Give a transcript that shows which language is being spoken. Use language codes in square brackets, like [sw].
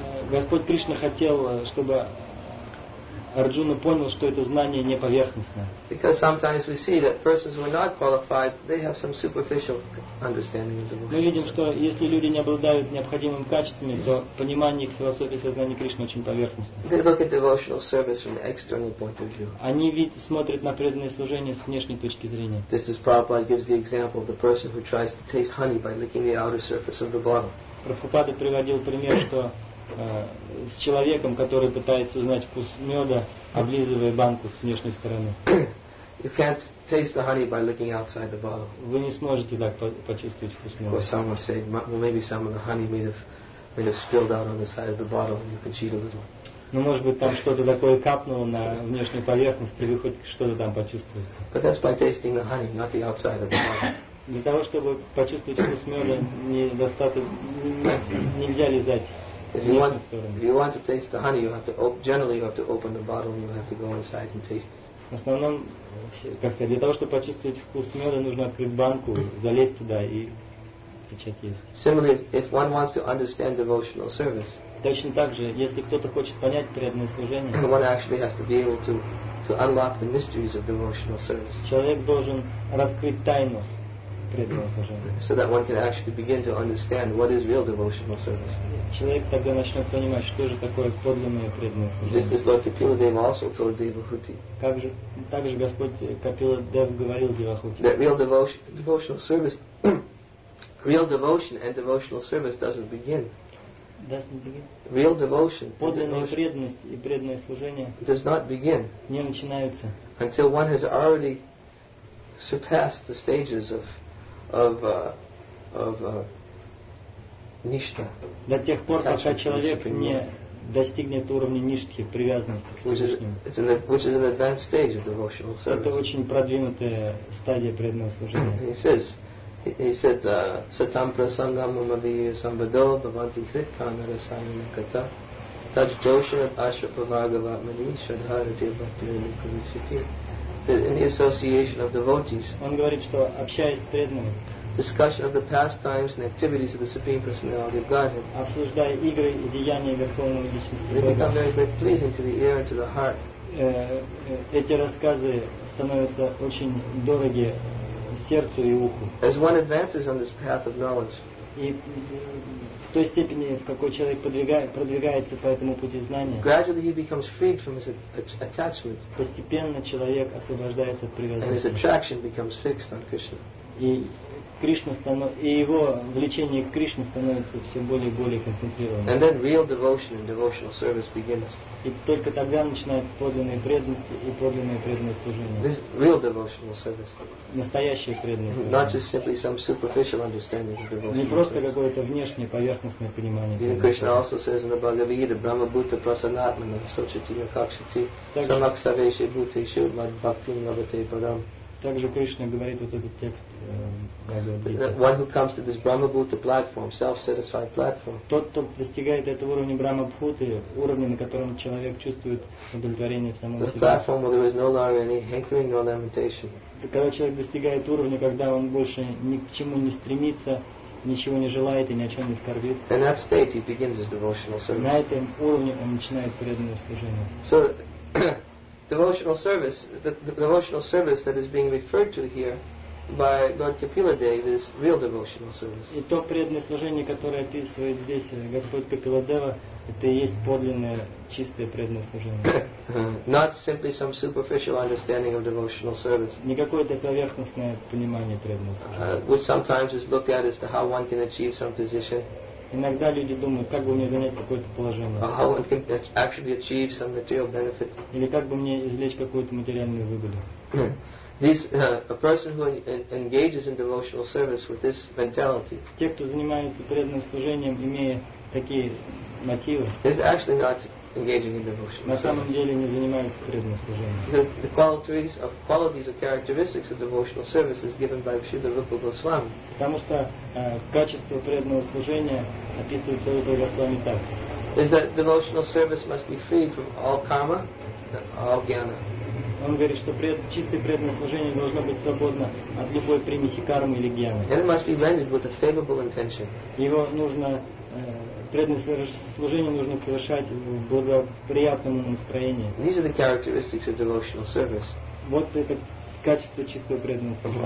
[ru] Господь Кришна хотел, чтобы Арджуна понял, что это знание не поверхностное. [en] Because sometimes we see that persons who are not qualified, they have some superficial understanding of the world. [ru] Мы видим, что если люди не обладают необходимыми качествами, то понимание их философии сознания Кришны очень поверхностное. [en] They look at devotional service from the external point of view. [ru] Они смотрят на преданное служение с внешней точки зрения. [en] This is Prabhupada gives the example of the person who tries to taste honey by licking the outer surface of the bottle. [ru] Прабхупада приводил пример, что с человеком, который пытается узнать вкус меда, облизывая банку с внешней стороны. [en] You can't taste the honey by looking outside the bottle. [ru] Вы не сможете так почувствовать вкус меда. [en] Or someone said, well, maybe some of the honey may have spilled out on the side of the bottle, and you can cheat a little. [ru] Ну, может быть, там что-то такое капнуло на внешнюю поверхность, и вы хоть что-то там почувствуете. [en] But that's by tasting the honey, not the outside of the bottle. [ru] Для того, чтобы почувствовать вкус меда, нельзя лизать. [en] If you want to taste the honey, you have to open the bottle and you have to go inside and taste it. [ru] В основном, как сказать, для того, чтобы почувствовать вкус меда, нужно открыть банку, залезть туда и начать есть. [en] Similarly, if one wants to understand devotional service, [ru] точно так же, если кто-то хочет понять преданное служение, [en] one actually has to be able to unlock the mysteries of devotional service. [ru] Человек должен раскрыть тайну преданного служения. [en] So that one can actually begin to understand what is real devotional service. [ru] Человек тогда начнет понимать, что же такое подлинное преданное служение. [en] Just as Lord Kapila Dev also told Devahuti. [ru] Также Господь Капила Дев говорил Девахути. [en] That real devotional service, real devotion and devotional service doesn't begin. Real devotion. [ru] Подлинная преданность и преданное служение. [en] Does not begin. [ru] Не начинаются. [en] Until one has already surpassed the stages of ништха. [ru] До тех пор, пока человек не достигнет уровня ништхи, привязанности к Всевышнему. [en] Which is an advanced stage of devotional service. [ru] Это очень продвинутая стадия преданного служения. [en] He said, [sa] satam prasangam mamadhiya sambhado bhavanti hritkana rasayana kata taj joshanat asha pavagavatmani shadharati bhaktirini kumisitir. [en] In the association of devotees. [ru] Он говорит, что общаясь с преданными. [en] Discussion of the pastimes and activities of the Supreme Personality of Godhead. [ru] Обсуждая игры и деяния Верховной Личности. [en] They become very, very pleasing to the ear and to the heart. [ru] Эти рассказы становятся очень дороги сердцу и уху. [en] As one advances on this path of knowledge. [ru] И в той степени, в какой человек продвигается по этому пути знания, [en] gradually he becomes freed from his attachment. [ru] Постепенно человек освобождается от привязанности. [en] And his attraction becomes fixed on Krishna. [ru] И его влечение к Кришне становится все более и более концентрированным. [en] And then real devotion and devotional service begins. [ru] И только тогда начинается подлинная преданность и подлинное преданное служение. [en] This real devotional service. [ru] Настоящая преданность. [en] Not just simply some superficial understanding of devotional service. [ru] Не просто какое-то внешнее поверхностное понимание. [en] Even Krishna also says in the Bhagavad Gita, [sa] Brahma Bhuta Prasanatmana Sochati Yakshati Samaksaveshi Bhuta Shudma Bhakti Navate Param. [ru] Также Кришна говорит вот этот текст. [en] One who comes to this Brahma-Bhuta platform, self-satisfied platform. [ru] Тот, кто достигает этого уровня Брахма-Бхуты, уровня, на котором человек чувствует удовлетворение в самом себе. [en] The platform where there is no longer any hankering, no lamentation. [ru] Когда человек достигает уровня, когда он больше ни к чему не стремится, ничего не желает и ни о чем не скорбит. [en] In that state, he begins his devotional service. [ru] На этом уровне он начинает преданное служение. [en] So, devotional service, the devotional service that is being referred to here by Lord Kapila Dev is real devotional service. [ru] И то преданное служение, которое описывает здесь Господь Капила Дева, это и есть подлинное чистое преданное служение. [en] Not simply some superficial understanding of devotional service. [ru] Не какое-то поверхностное понимание преданного служения. [en] Which sometimes is looked at as to how one can achieve some position. [ru] Иногда люди думают, как бы мне занять какое-то положение. [en] How one can actually achieve some material benefit. [ru] Или как бы мне извлечь какую-то материальную выгоду. [en] A person who engages in devotional service with this mentality. [ru] Те, кто занимается преданным служением, имея такие мотивы. [en] Is actually not engaging in devotional service. [ru] На самом деле не занимается преданным служением. [en] The qualities or characteristics of devotional service is given by Śrīla Rūpa Gosvāmī. [ru] Потому что качество преданного служения описывается Рупой Госвами так. [en] is that devotional service must be free from all karma, all jnana. [ru] Он говорит, что чистое преданное служение должно быть свободно от любой примеси кармы или гьяны. [en] And it must be rendered with a favorable intention. [ru] Его нужно преданное служение нужно совершать в благоприятном настроении. [en] These are the characteristics of devotional service. [ru] Вот это качество чистого преданного служения.